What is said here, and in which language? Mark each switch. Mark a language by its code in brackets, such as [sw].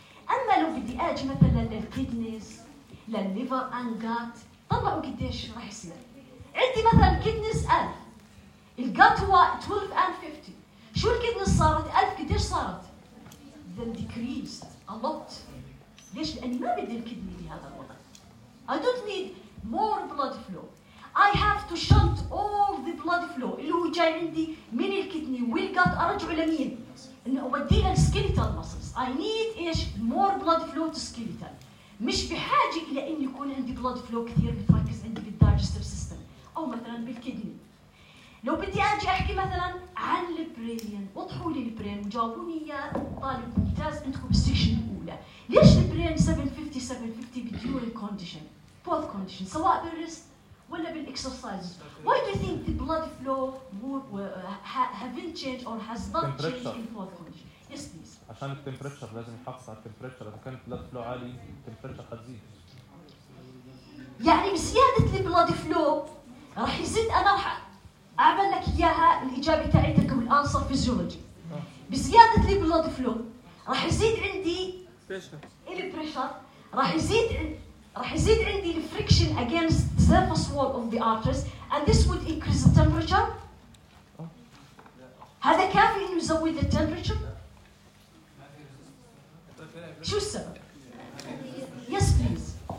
[ar] أما لو بدي أجي مثلا للكيدنيز، للليفر and gut، طلعوا قديش راح يصير. عندي مثلا كيدنيز 1000، الجات هو 1250. شو الكيدنيز صارت؟ 1000 قديش صارت؟ Then decreased a lot. ليش؟ لأني ما بدي الكدني بهذا الوضع. [en] I don't need more blood flow. [ar] I have to shunt all the blood flow اللي هو جاي عندي من الكدني والجات أرجع لمين؟ إنه أوديها skeletal muscles. [en] I need إيش؟ more blood flow to skeletal. [ar] مش بحاجة إلى إن يكون عندي blood flow كثير بتركز عندي بالdigestive system أو مثلاً بالكدني. لو بدي أجي أحكي مثلاً عن البرين، وضحوا لي البرين وجاوبوني إياه طالب ممتاز عندكم بالسيكشن الأولى. ليش البرين 750-750 بالدوري كونديشن؟ بوث كونديشن، سواء بالرست ولا بالإكسرسايز. [en] Why do you think the blood flow haven't changed or has not changed in both conditions? Yes, please. [ar] عشان التمبرتشر لازم يحافظ على التمبرتشر، إذا كان البلاد فلو عالي التمبرتشر حتزيد. يعني بزيادة البلاد فلو راح يزيد، أنا راح أعمل لك إياها الإجابة تاعتك والأنصر فيزيولوجي. [en] بزيادة البلاد فلو راح يزيد عندي البريشر، راح يزيد عندي الفريكشن against the surface wall of the arteries and this would increase the temperature. [ar] هذا كافي إنه يزود the temperature؟ شو السبب؟ Yes please.